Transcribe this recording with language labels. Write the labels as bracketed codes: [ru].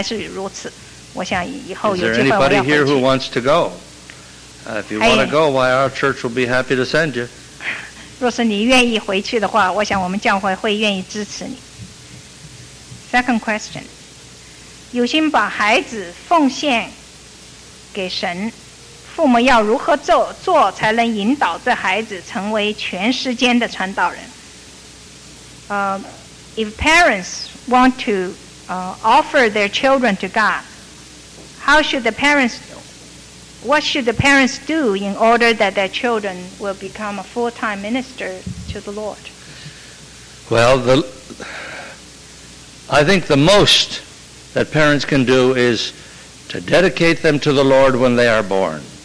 [zh] 在我们的教会里面，对中国的传福音的负担是我们最主要的对象，一直到今天还是如此。我想以后有机会，我要回去。 [en] Is there anybody here who wants to go? If you want to go, why, our church will be happy to send you. [zh] 若是你愿意回去的话，我想我们教会会愿意支持你。 [en] Second question. [zh] 有心把孩子奉献给神，父母要如何做才能引导这孩子成为全世间的传道人？ [en] If parents want to offer their children to God, what should the parents do in order that their children will become a full-time minister to the Lord? Well, I think the most that parents can do is to dedicate them to the Lord when they are born.